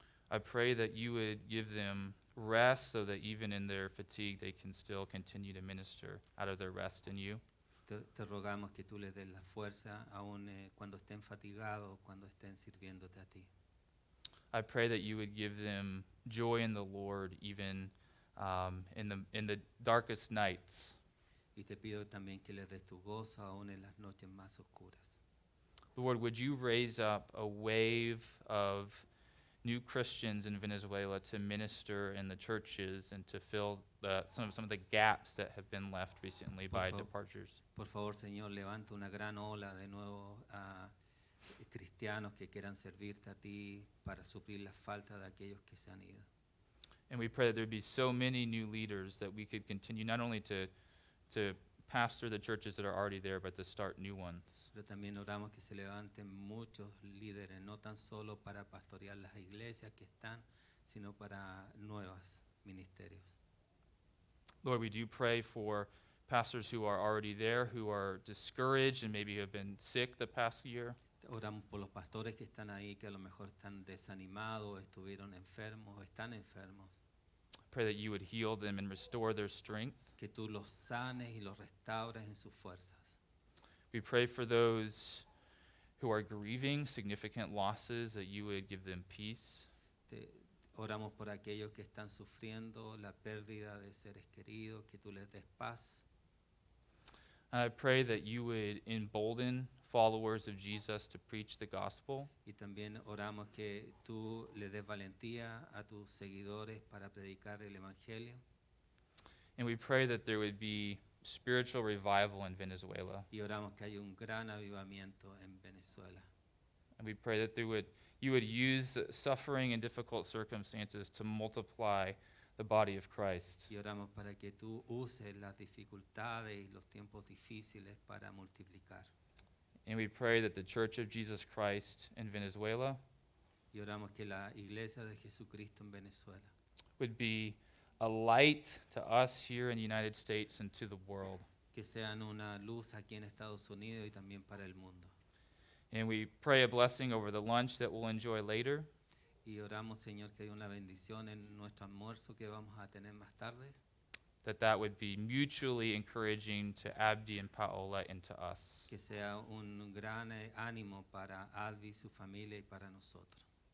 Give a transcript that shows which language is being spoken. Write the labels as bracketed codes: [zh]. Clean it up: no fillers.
[en] I pray that you would give them rest so that even in their fatigue, they can still continue to minister out of their rest in you. [es] Te rogamos que tú les des la fuerza aun cuando estén fatigados, cuando estén sirviéndote a ti. [en] I pray that you would give them joy in the Lord even in the darkest nights. [es] Y te pido también que le des tu gozo aún en las noches más oscuras. [en] Lord, would you raise up a wave of new Christians in Venezuela to minister in the churches and to fill the, some of the gaps that have been left recently by departures? [es] Por favor, Señor, levanta una gran ola de nuevo a cristianos que quieran servirte a ti para suplir la falta de aquellos que se han ido. [en] And we pray that there would be so many new leaders that we could continue not only to pastor the churches that are already there, but to start new ones. [es] Pero también oramos que se levanten muchos líderes, no tan solo para pastorear las iglesias que están, sino para nuevos ministerios. [en] Lord, we do pray for pastors who are already there, who are discouraged and maybe have been sick the past year. [es] Oramos por los pastores que están ahí, que a lo mejor están desanimados, estuvieron enfermos, están enfermos. [en] Pray that you would heal them and restore their strength. [es] Que tú los sanes y los restaures en sus fuerzas. [en] We pray for those who are grieving significant losses, that you would give them peace. [es] Oramos por aquellos que están sufriendo la pérdida de seres queridos, que tú les des paz. [en] I pray that you would embolden followers of Jesus to preach the gospel. [es] Y también oramos que tú le des valentía a tus seguidores para predicar el evangelio. [en] And we pray that there would be spiritual revival in Venezuela. [es] Y oramos que haya un gran avivamiento en Venezuela. [en] And we pray that you would use suffering and difficult circumstances to multiply the body of Christ. [es] Y oramos para que tú uses las dificultades y los tiempos difíciles para multiplicar. [en] And we pray that the Church of Jesus Christ in Venezuela, [es] y oramos que la Iglesia de Jesucristo en Venezuela [en] would be a light to us here in the United States and to the world. [es] Que sean una luz aquí en Estados Unidos y también para el mundo. [en] And we pray a blessing over the lunch that we'll enjoy later. [es] Y oramos, Señor, que haya una bendición en nuestro almuerzo que vamos a tener más tarde. [en] That would be mutually encouraging to Abdi and Paola and to us. [es] Que sea un gran ánimo para Abdi, su familia y para nosotros.